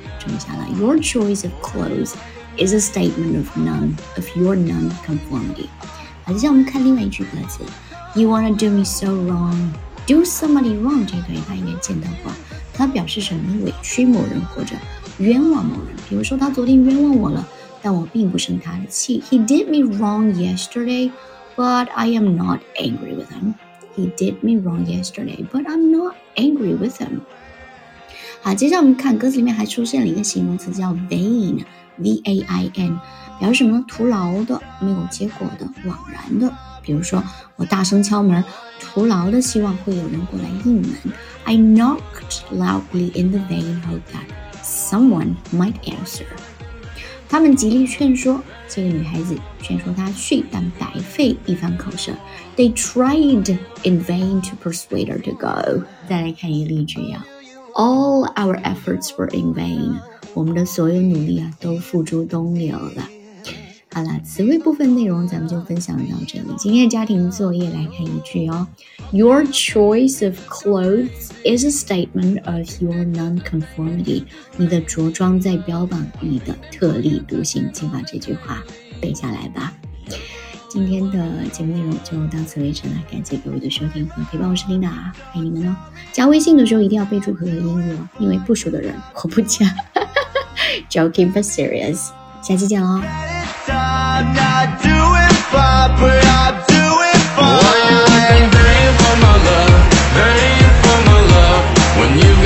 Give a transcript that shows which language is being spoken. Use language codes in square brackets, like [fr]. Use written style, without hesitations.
[zh] 整下来 [en] ，Your choice of clothes is a statement of your non-conformity。 [zh] 好，接下来我们看另外一句歌词 ： [en] You wanna do me so wrong? Do somebody wrong？ [zh] 这个大家应该见到过。他表示什么委屈某人或者冤枉某人，比如说他昨天冤枉我了，但我并不生他的气。 [en] He did me wrong yesterday, but I am not angry with him. He did me wrong yesterday, but I'm not angry with him. [zh] 好，接下来我们看歌词里面还出现了一个形容词叫 vain, V-A-I-N, 表示什么呢？徒劳的、没有结果的、枉然的。比如说我大声敲门，徒劳的希望会有人过来应门。 [en] I knocked loudly in the vain hope that someone might answer. [zh] 他们极力劝说这个女孩子，劝说她去，但白费一番口舌。 [en] They tried in vain to persuade her to go. [zh] 再来看一例句呀。 [en] All our efforts were in vain. [zh] 我们的所有努力啊，都付诸东流了。好了，词汇部分内容咱们就分享到这里。今天的家庭作业来看一句哦 ， [en] Your choice of clothes is a statement of your non-conformity。 [zh] 你的着装在标榜你的特立独行，请把这句话背下来吧。今天的节目内容就到此为止了，感谢各位的收听和陪伴，我是琳达，爱你们哦。加微信的时候一定要备注和英语哦，因为不熟的人我不加。 [en] Joking but serious， [zh] 下期见喽。 [en] I'm not doing fine, but I'm doing fine. Well, I've been praying for my love, praying for my love. When